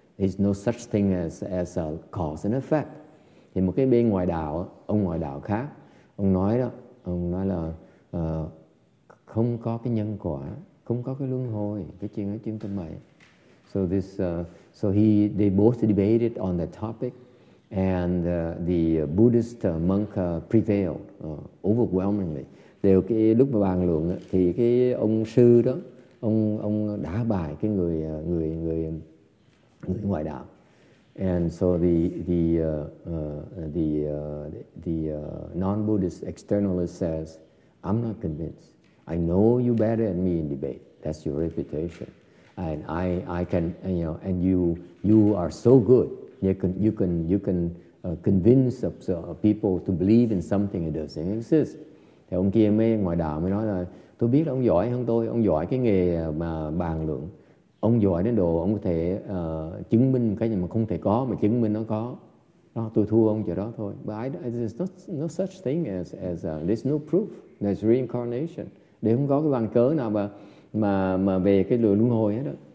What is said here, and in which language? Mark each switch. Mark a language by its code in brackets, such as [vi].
[en] There's no such thing as a cause and effect. [vi] Thì một cái bên ngoại đạo, ông ngoại đạo khác, ông nói là không có cái nhân quả, không có cái luân hồi, cái chuyện ở chuyện tâm mày. [en] So this they both debated on that topic, and the Buddhist monk prevailed overwhelmingly. [vi] Đều cái lúc mà bàn luận thì cái ông sư đó, ông đá bài cái người người người người ngoại đạo. [en] And so the non-Buddhist externalist says, I'm not convinced. I know you better than me in debate. That's your reputation. And I can, you know, and you are so good. You can convince people to believe in something that doesn't exist. [vi] Thì ông kia mới ngoài đạo mới nói là tôi biết ông giỏi hơn tôi, ông giỏi cái nghề mà bàn luận. Ông giỏi đến độ ông có thể chứng minh cái gì mà không thể có mà chứng minh nó có. Đó, tôi thua ông chỗ đó thôi. [en] But there's no such thing as there's no proof. There's reincarnation. [vi] Để không có cái bằng cớ nào mà về cái lửa luân hồi hết đó.